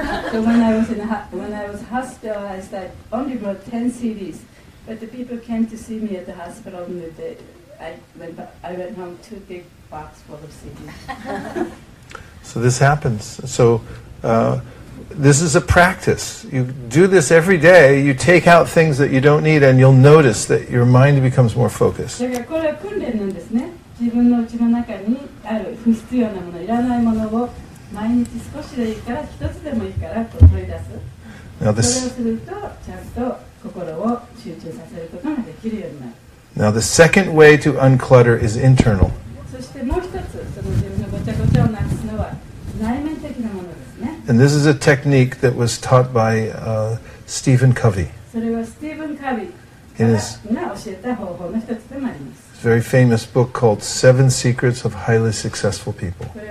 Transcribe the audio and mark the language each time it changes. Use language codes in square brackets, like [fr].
[en] So when I was hospital, I said only brought 10 CDs, but the people came to see me at the hospital, and I went home two big boxes full of CDs. So this happens. So this is a practice. You do this every day. You take out things that you don't need, and you'll notice that your mind becomes more focused. [ja] だからこれは訓練なんですね。自分の家の中にある不必要なもの、いらないものを毎日少しでいいから、一つでもいいから取り出す。 [en] Now this, [ja] それをするとちゃんと心を集中させることができるようになる。 [en] Now the second way to unclutter is internal. [ja] そしてもう一つ、その自分のごちゃごちゃをなくすのは内面的なものですね。 [en] And this is a technique that was taught by Stephen Covey. [ja] それはスティーブン・カビが教えた方法の一つでもあります。 [en] Very famous book called Seven Secrets of Highly Successful People.